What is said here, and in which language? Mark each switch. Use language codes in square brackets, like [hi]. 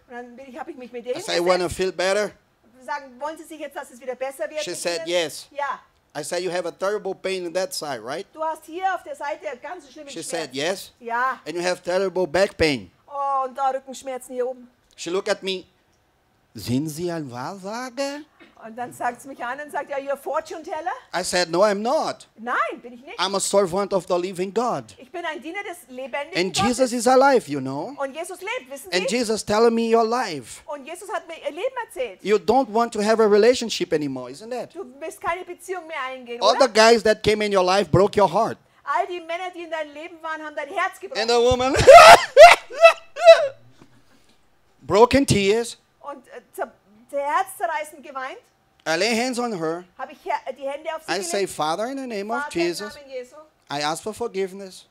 [de] Und dann habe ich mich mit ihr hingesetzt. [en] I said, want to feel better? [de] Sagen, wollen Sie sich jetzt, dass es wieder besser wird? [en] She said, yes. [de] Ja. [en] I said, you have a terrible pain in that side, right? [de] Du hast hier auf der Seite ganz schlimme [en] She [de] Schmerzen. [en] Said, yes. [de] Ja. [en] And you have terrible back pain. [de] Oh, und da Rückenschmerzen hier oben. [en] She looked at me. [de] Sind Sie ein Wahrsager? Und dann sagt sie mich an und sagt, [en] are you a fortune teller? I said, no, I'm not. [de] Nein, bin ich nicht. [en] I'm a servant of the living God. [de] Ich bin ein Diener des lebendigen [en] And [de] Gottes. [en] Jesus is alive, you know. [de] Und Jesus lebt, wissen [en] And [de] Sie? [en] Jesus telling me you're alive. [de] Und Jesus hat mir ihr Leben erzählt. [en] You don't want to have a relationship anymore, isn't it? [de] Du willst keine Beziehung mehr eingehen, [en] All [de] oder? [en] The guys that came in your life broke your heart. [de] All die Männer, die in deinem Leben waren, haben dein Herz gebrochen. [en] And the woman. Broken tears. [de] Und der Herz zerreißend geweint. [en] I lay hands on her. [de] Habe ich die Hände auf sie [en] I [de] gelegt. [en] Say, Father, in the name [de] Vater, [en] of Jesus, [de] Jesu, [en] I ask for forgiveness.